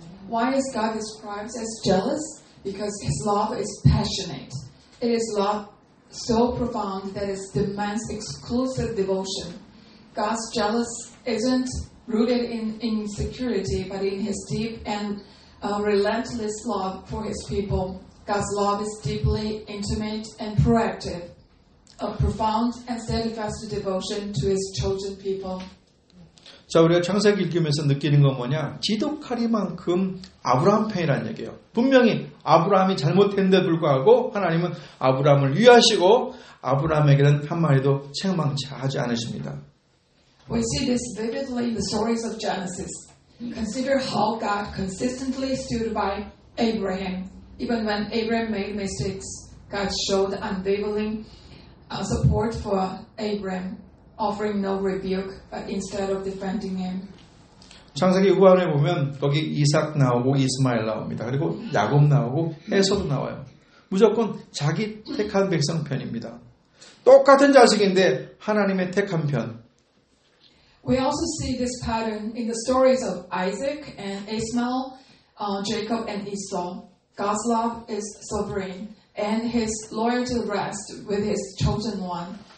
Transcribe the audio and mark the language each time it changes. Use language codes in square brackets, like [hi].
[en] Why is God described as jealous? Because His love is passionate. It is love so profound that it demands exclusive devotion. God's jealous isn't rooted in insecurity, but in His deep and relentless love for His people. God's love is deeply intimate and proactive, a profound and steadfast devotion to His chosen people. [ko] 자, 우리가 창세기 읽으면서 느끼는 건 뭐냐? 지독하리만큼 아브라함 편이라는 얘기예요. 분명히 아브라함이 잘못했는데 불구하고 하나님은 아브라함을 위하시고 아브라함에게는 한마디도 책망하지 않으십니다. [en] We see this vividly in the stories of Genesis. Consider how God consistently stood by Abraham. Even when Abraham made mistakes, God showed unwavering support for Abraham, offering no rebuke, but instead of defending him. [ko] 창세기 후반에 보면 거기 이삭 나오고 이스마엘 나옵니다. 그리고 야곱 나오고 에서도 나와요. 무조건 자기 택한 백성 편입니다. 똑같은 자식인데 하나님의 택한 편. [en] We also see this pattern in the stories of Isaac and Ishmael, Jacob and Esau. God's love is sovereign, and His loyalty rests with His chosen one.